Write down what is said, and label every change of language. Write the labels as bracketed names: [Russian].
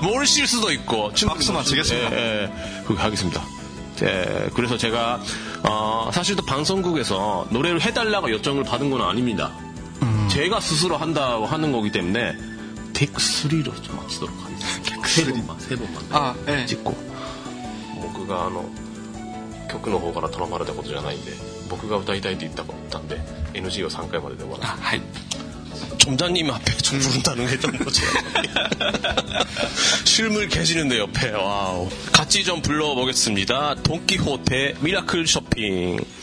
[Korean] 모르실 수도 있고 박수 맞히겠습니다. 예, 그거 하겠습니다. 네, 그래서 제가 사실도 방송국에서 노래를 해달라고 요청을 받은 건 아닙니다. 제가 스스로 한다고 하는 거기 때문에 텍스리로 좀 마치도록 하겠습니다. 세 번만 찍고 [Japanese] 僕가 曲の方から 頼まれた ことじゃないんで 僕が 歌いたいって 言ったんで NG を 3回までで終わらせ。はい。점장님 [Korean] 앞에 좀 부른다는 했던 거죠. 실물 계시는데 옆에 와우. 같이 좀 불러보겠습니다. 돈키호테 미라클 쇼핑.